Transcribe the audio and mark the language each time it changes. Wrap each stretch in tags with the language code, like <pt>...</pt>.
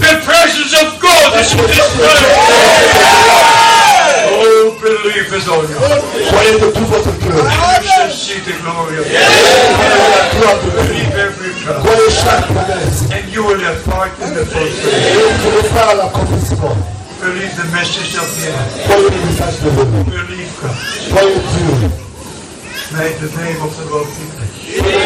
<en>The presence of God is in this place. Oh, believe it on you.</en> <fr>Croyez de tout votre cœur.</fr> <en>You shall see the glory of God. Believe every prayer.</en> <fr>Croyez chaque promesse.</fr> <en>And you will have part in the fulfillment.</en> <fr>Et vous aurez part à l'accomplissement.</fr> <en>Believe the message of the end.</en> <fr>Croyez le message de Dieu.</fr> <en>Believe God.</en> <fr>Croyez Dieu.</fr> <en>May the name of the Lord be blessed.</en>